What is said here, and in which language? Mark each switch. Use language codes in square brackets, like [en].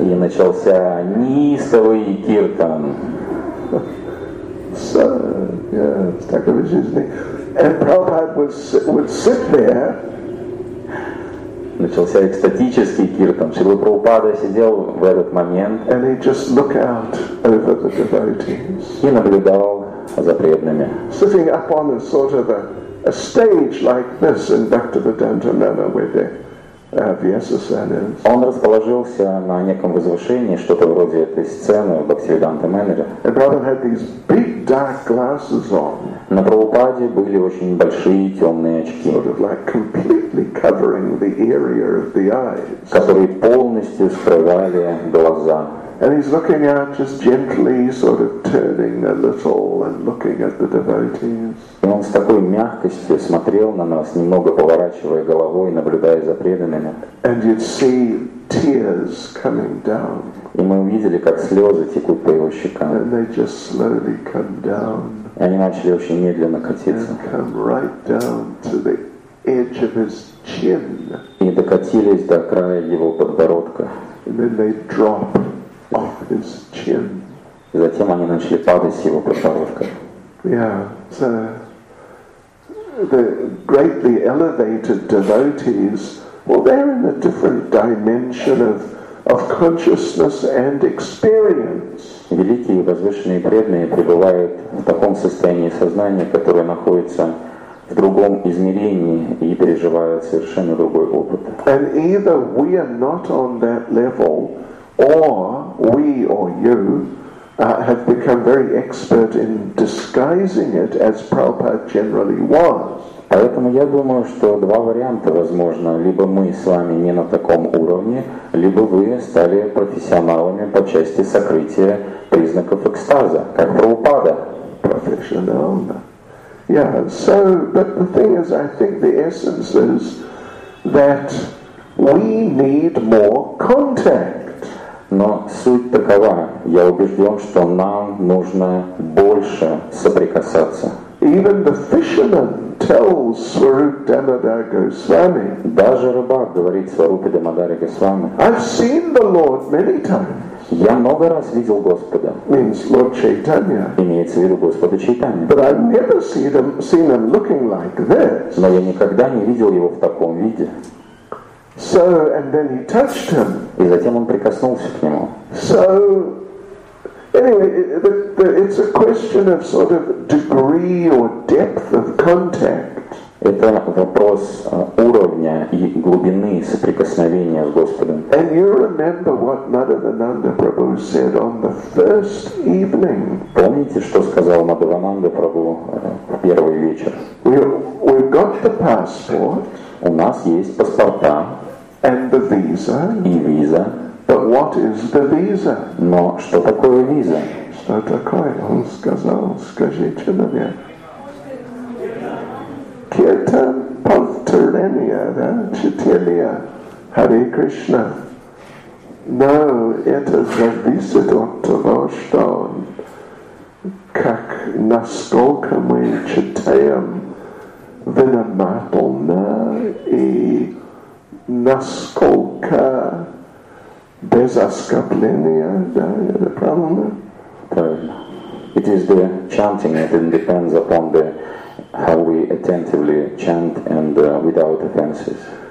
[ru] И начался неистовый киртан. [en] So, yeah, Stakavishisni. And Prabhupada would sit there. [ru] Начался экстатический киртан. Шрила Прабхупада сидел в этот момент. [en] And he just look out over the devotees. [ru] И наблюдал за преданными. [en] Sitting up on a sort of a stage like this in Bhaktivedanta Manor where the Vyasasana is. [ru] Он расположился на неком возвышении, что-то вроде этой сцены в Бхактивиданта Мэноре. [en] And Prabhupada had these big dark glasses on. [ru] На Прабхупаде были очень большие темные очки. [en] Sort of like completely covering the area of the eyes. [ru] Которые полностью скрывали глаза. [en] And he's looking out, just gently, sort of turning a little and looking at the devotees. [ru] И он с такой мягкостью смотрел на нас, немного поворачивая головой, наблюдая за преданными. [en] And you'd see tears coming down. [ru] И мы увидели, как слезы текут по его щекам. [en] And they just slowly come down. [ru] И они начали очень медленно катиться. [en] And come right down to the edge of his chin. [ru] И докатились до края его подбородка. [en] And then they drop. Off his chin. [ru] И затем они начали падать с его подбородка. [en] Yeah, so the greatly elevated devotees, well, they're in a different dimension of consciousness and experience. [ru] Великие возвышенные преданные пребывают в таком состоянии сознания, которое находится в другом измерении и переживают совершенно другой опыт. [en] And either we are not on that level. Or you have become very expert in disguising it as Prabhupada generally was. [ru] Поэтому я думаю, что два варианта возможно. Либо мы с вами не на таком уровне, либо вы стали профессионалами по части сокрытия признаков экстаза, как Прабхупада. [en] Professional. Yeah, so, but the thing is, I think the essence is that we need more contact. [ru] Но суть такова, я убежден, что нам нужно больше соприкасаться. [en] Even the fisherman tells Swarup Damodara Goswami. [ru] Даже рыбак говорит Сварупе Дамодаре Госвами. [en] I've seen the Lord many times. [ru] Я много раз видел Господа. [en] Means Lord Chaitanya. [ru] Имеется в виду Господа Чайтанья. [en] But I've never seen him looking like this. [ru] Но я никогда не видел его в таком виде. [en] So and then he touched him. [ru] И затем он прикоснулся к нему. [en] So anyway, it's a question of sort of degree or depth of contact. [ru] Это вопрос уровня и глубины соприкосновения с Господом. [en] And you remember what Madhavananda Prabhu said on the first evening? [ru] Помните, что сказал Мадхавананда Прабху в первый вечер? [en] We've got the passport. [ru] У нас есть паспорта. [en] And the visa. [ru] И виза. [en] But what is the visa? [ru] Но что такое виза? Что такое? Он сказал, скажите мне. Киртан Павтарения, да? Читания. Харе Кришна. No, это зависит от того, что как насколько мы читаем виноматолна и насколько без оскопления, да, это правильно? Правильно. [en] It is the chanting, and it depends upon the how we attentively chant and without offenses.